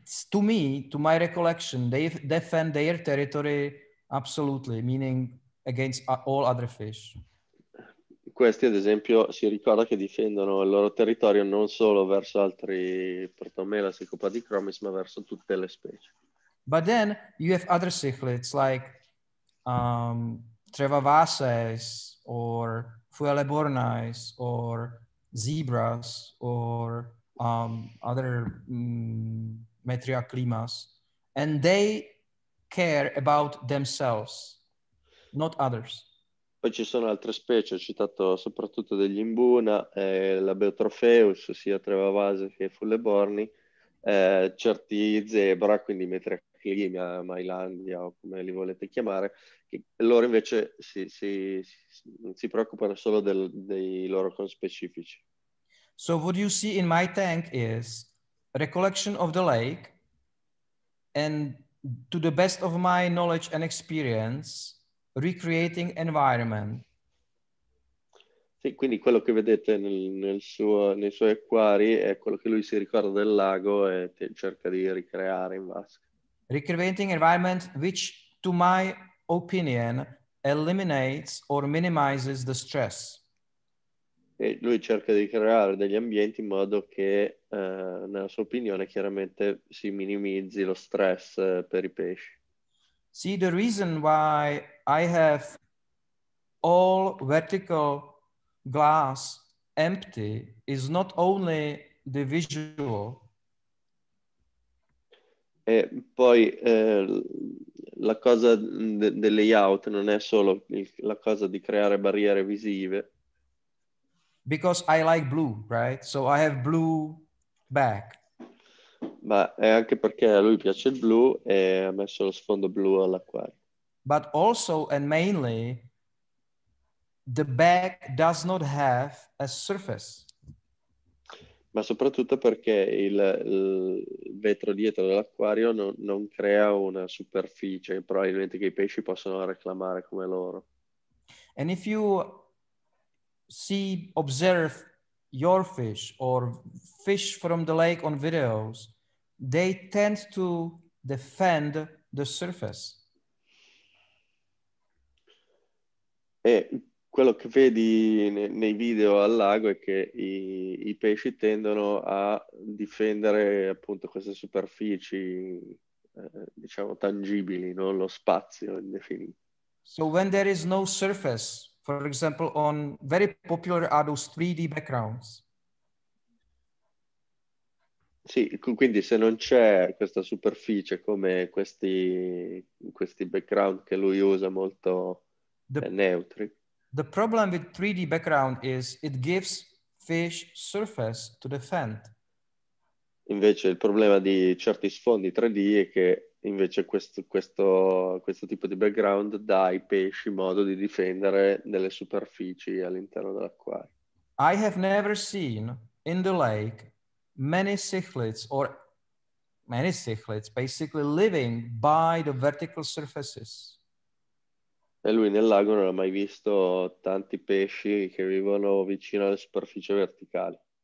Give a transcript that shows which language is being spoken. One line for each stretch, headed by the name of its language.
English: To me, to my recollection, they defend their territory absolutely, meaning against all other fish.
Italian: Questi, ad esempio, si ricorda che difendono il loro territorio non solo verso altri protomelas e copadichromis, ma verso tutte le specie.
English: But then you have other cichlids like trevavases or fuelebornais or zebras or other metriaclimas, and they care about themselves, not others.
Italian: Poi ci sono altre specie, ho citato soprattutto degli imbuna, la Beotropheus, sia trevavase che fulleborni, certi zebra, quindi metriaclimia, mailandia o come li volete chiamare, che loro invece si preoccupano solo dei loro conspecifici.
English: So what you see in my tank is a recollection of the lake, and to the best of my knowledge and experience, recreating environment.
Italian: Sì, quindi quello che vedete nei suoi acquari è quello che lui si ricorda del lago e cerca di ricreare in vasca.
English: Recreating environment, which to my opinion eliminates or minimizes the stress.
Italian: E lui cerca di creare degli ambienti in modo che, nella sua opinione, chiaramente si minimizzi lo stress per i pesci.
English: See, the reason why I have all vertical glass empty is not only the visual.
Italian: E poi la cosa del layout non è solo la cosa di creare barriere visive.
English: Because I like blue, right? So I have blue back.
Italian: Ma è anche perché a lui piace il blu e ha messo lo sfondo blu all'acquario.
English: But also and mainly, the back does not have a surface.
Italian: Ma soprattutto perché il vetro dietro dell'acquario non crea una superficie, probabilmente che i pesci possono reclamare come loro.
English: And if you observe your fish or fish from the lake on videos, they tend to defend the surface.
Italian: E quello che vedi nei video al lago è che i pesci tendono a difendere appunto queste superfici, diciamo tangibili, non lo spazio indefinito.
English: So when there is no surface, for example, on very popular are those 3D backgrounds.
Italian: Sì, quindi se non c'è questa superficie come questi background che lui usa molto neutri.
English: The problem with 3D background is it gives fish surface to defend.
Italian: Invece il problema di certi sfondi 3D è che invece questo tipo di background dai pesci modo di difendere nelle superfici all'interno dell'acquario.
English: I have never seen in the lake many cichlids basically living by the vertical surfaces.
Italian: E lui nel lago non ha mai visto tanti pesci che vivono vicino alle superfici verticali.